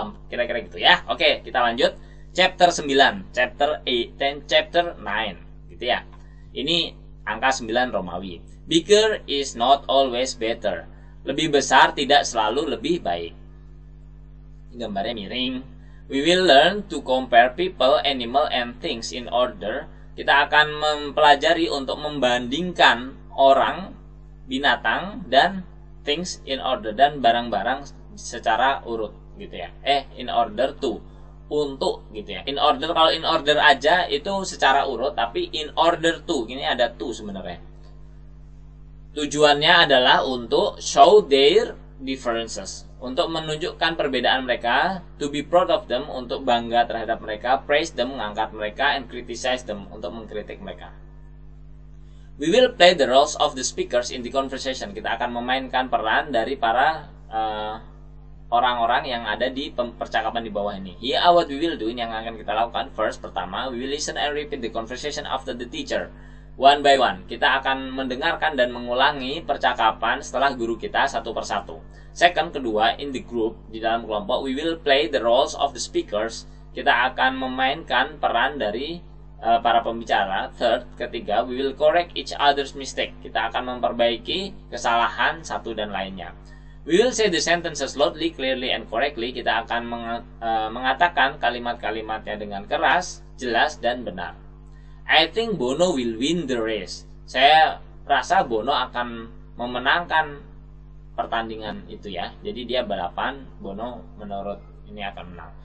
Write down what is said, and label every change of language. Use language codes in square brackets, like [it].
[id] Kira-kira gitu ya. Oke, kita lanjut. Chapter 9, chapter 8, chapter 9. Gitu ya. Ini angka 9 Romawi. [en] Bigger is not always better. [id] Lebih besar tidak selalu lebih baik. Gambarnya miring. [en] We will learn to compare people, animal, and things in order. [id] Kita akan mempelajari untuk membandingkan orang, binatang, dan [en] things in order, [id] dan barang-barang secara urut gitu ya. In order to, untuk gitu ya. In order, kalau in order aja itu secara urut, tapi in order to, ini ada to sebenarnya. Tujuannya adalah untuk [en] show their differences, [id] untuk menunjukkan perbedaan mereka, [en] to be proud of them, [id] untuk bangga terhadap mereka, [en] praise them, [id] mengangkat mereka, [en] and criticize them, [id] untuk mengkritik mereka. [en] We will play the roles of the speakers in the conversation. [id] Kita akan memainkan peran dari para orang-orang yang ada di percakapan di bawah ini. [en] Here what we will do, [id] ini yang akan kita lakukan. [en] First, pertama, we will listen and repeat the conversation after the teacher. One by one, [id] kita akan mendengarkan dan mengulangi percakapan setelah guru kita satu persatu. [en] Second, kedua, in the group, [id] di dalam kelompok, [en] we will play the roles of the speakers. [id] Kita akan memainkan peran dari para pembicara. [en] Third, ketiga, we will correct each other's mistake. [id] Kita akan memperbaiki kesalahan satu dan lainnya. [en] We will say the sentences loudly, clearly, and correctly. [id] Kita akan mengatakan kalimat-kalimatnya dengan keras, jelas, dan benar. [en] I think Bono will win the race. [id] Saya rasa Bono akan memenangkan pertandingan itu ya. Jadi dia balapan, Bono menurut ini akan menang.